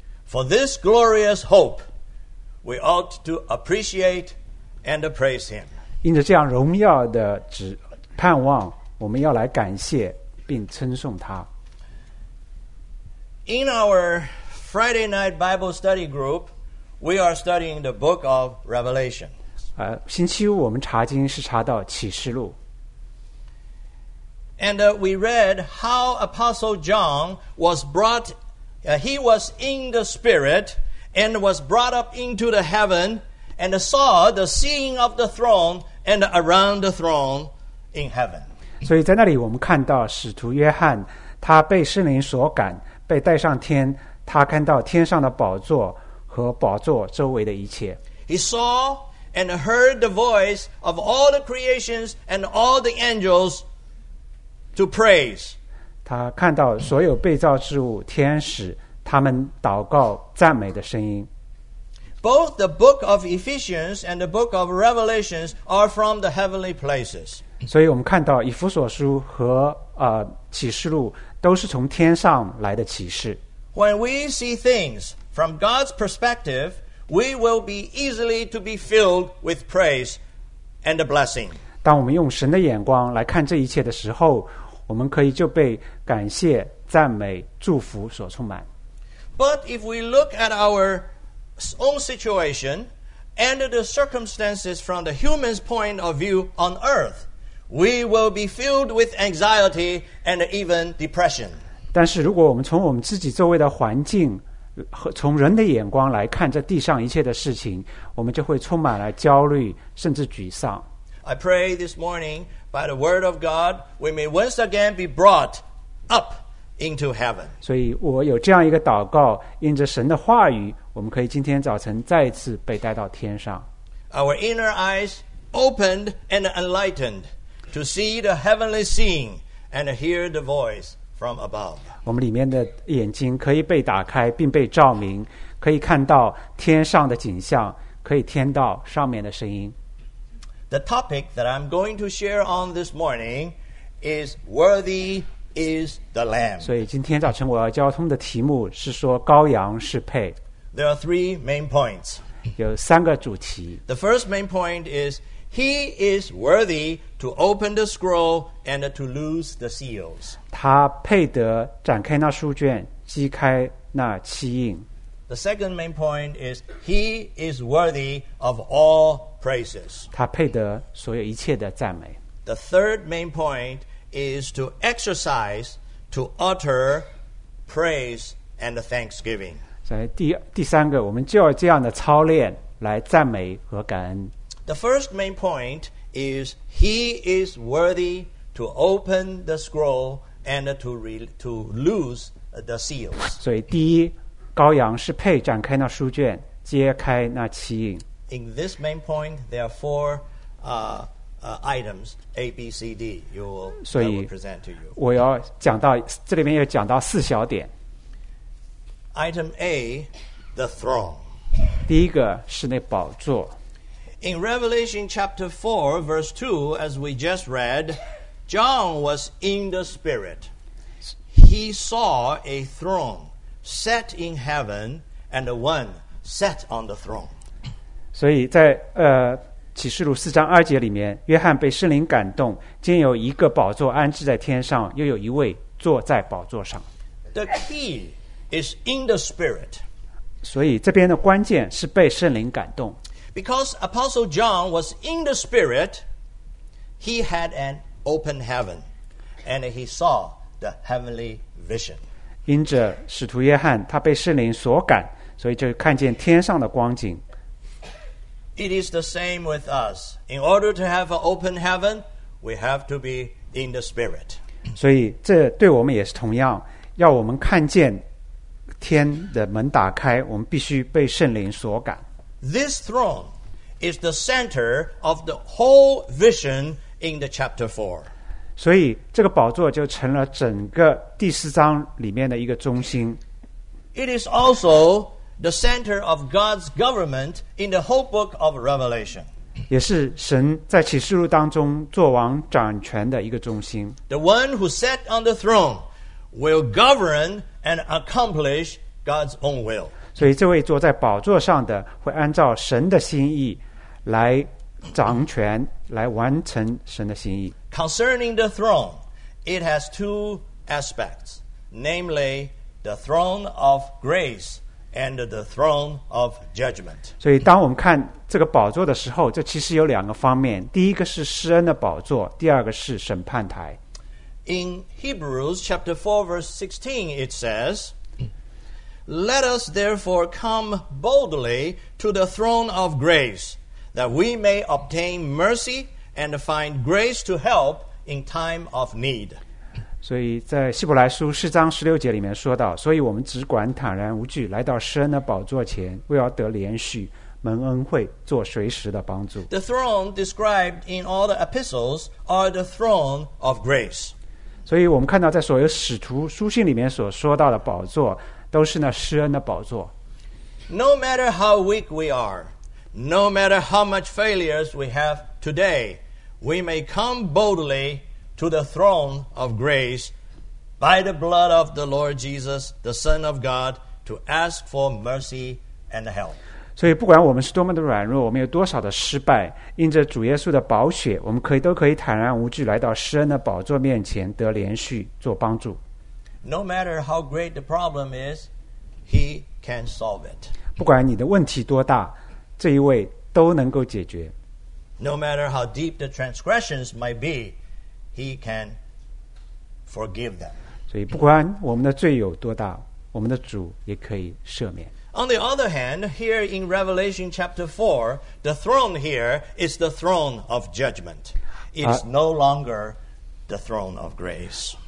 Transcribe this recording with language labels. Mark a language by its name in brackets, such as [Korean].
[English] For this glorious hope, we ought to appreciate and praise Him. [Chinese] 因着这样荣耀的盼望，我们要来感谢并称颂他。 [English] In our Friday night Bible study group, we are studying the book of Revelation. [Chinese] 星期五我们查经是查到启示录。 [English] And we read how Apostle John was brought, he was in the spirit and was brought up into the heaven and saw the seeing of the throne and around the throne in heaven. [Chinese] 所以在那里我们看到使徒约翰他被圣灵所感，被带上天，他看到天上的宝座和宝座周围的一切。 [English] He saw and heard the voice of all the creations and all the angels to praise. [Chinese] 他看到所有被造之物、天使，他们祷告赞美的声音。 [English] Both the book of Ephesians and the book of Revelations are from the heavenly places. [Chinese] 所以我们看到以弗所书和启示录都是从天上来的启示。 [English] When we see things from God's perspective, we will be easily to be filled with praise and a blessing. [Chinese] 当我们用神的眼光来看这一切的时候，我们可以就被感谢、赞美、祝福所充满。 [English] But if we look at our own situation and the circumstances from the human's point of view on earth,we will be filled with anxiety and even depression. [Chinese] 但是如果我们从我们自己周围的环境和从人的眼光来看这地上一切的事情，我们就会充满了焦虑甚至沮丧。 [English] I pray this morning by the word of God we may once again be brought up into heaven. [Chinese] 所以我有这样一个祷告，因着神的话语，我们可以今天早晨再一次被带到天上。 [English] Our inner eyes opened and enlightenedTo see the heavenly scene and hear the voice from above. [Chinese] 我们里面的眼睛可以被打开并被照明，可以看到天上的景象，可以听到上面的声音。 [English] The topic that I'm going to share on this morning is Worthy is the Lamb. [Chinese] 所以今天早晨我要交通的题目是说羔羊是配。 [English] There are three main points. [Chinese] 有三个主题。 [English] The first main point is,He is worthy to open the scroll and to loose the seals. [Chinese] 他配得展开那书卷，揭开那七印。 [English] The second main point is he is worthy of all praises. [Chinese] 他配得所有一切的赞美。 [English] The third main point is to exercise to utter praise and thanksgiving. [Chinese] 在第三个，我们就要这样的操练来赞美和感恩。 [English] The first main point is he is worthy to open the scroll and to loose the seals. [Chinese] 所以第一，羔羊是配展开那书卷，揭开那七印。 [English] In this main point, there are four items A, B, C, D. You will, so, I will present to you. [Chinese] 我要讲到这里面要讲到四小点。 [English] Item A, the throne. [Chinese] 第一个是那宝座。 [English] In Revelation chapter 4, verse 2, as we just read, John was in the spirit. He saw a throne set in heaven and the one sat on the throne. [Chinese] 所以在启示录四章二节里面，约翰被圣灵感动，见有一个宝座安置在天上，又有一位坐在宝座上。 [English] The key is in the spirit. [Chinese] 所以这边的关键是被圣灵感动。 [English] Because Apostle John was in the Spirit, he had an open heaven, and he saw the heavenly vision. [Chinese] 因着使徒约翰，他被圣灵所感，所以就看见天上的光景。 [English] It is the same with us. In order to have an open heaven, we have to be in the Spirit. [Chinese] 所以这对我们也是同样，要我们看见天的门打开，我们必须被圣灵所感。 [English] This throne is the center of the whole vision in the chapter 4. [Chinese] 所以这个宝座就成了整个第四章里面的一个中心。 [English] It is also the center of God's government in the whole book of Revelation. [Chinese] 也是神在启示录当中作王掌权的一个中心。 [English] The one who sat on the throne will govern and accomplish God's own will. [Chinese] 所以这位坐在宝座上的会按照神的心意来掌权，来完成神的心意。 [English] Concerning the throne, it has two aspects, namely the throne of grace and the throne of judgment. [Chinese] 所以当我们看这个宝座的时候，这其实有两个方面，第一个是施恩的宝座，第二个是审判台。 [English] In Hebrews chapter 4 verse 16 it says, Let us therefore come boldly to the throne of grace, that we may obtain mercy and find grace to help in time of need. [Chinese] 所以在希伯来书四章十六节里面说到，所以我们只管坦然无惧来到施恩的宝座前，为要得连续蒙恩惠，做随时的帮助。 [English] The throne described in all the epistles are the throne of grace. [Chinese] 所以我们看到在所有使徒书信里面所说到的宝座都是那施恩的宝座。 [English] No matter how weak we are, no matter how much failures we have today, we may come boldly to the throne of grace by the blood of the Lord Jesus, the Son of God, to ask for mercy and help. [Chinese] 所以不管我们是多么的软弱，我们有多少的失败，因着主耶稣的宝血，我们都可以坦然无惧来到施恩的宝座面前得连续做帮助。 [English] No matter how great the problem is, he can solve it. [Chinese] 不管你的问题多大，这一位都能够解决。 [English] No matter how deep the transgressions might be, he can forgive them. [Chinese] 所以不管我们的罪有多大，我们的主也可以赦免。 [English] On the other hand, here in Revelation chapter 4, the throne here is the throne of judgment. It is no longer the throne of grace.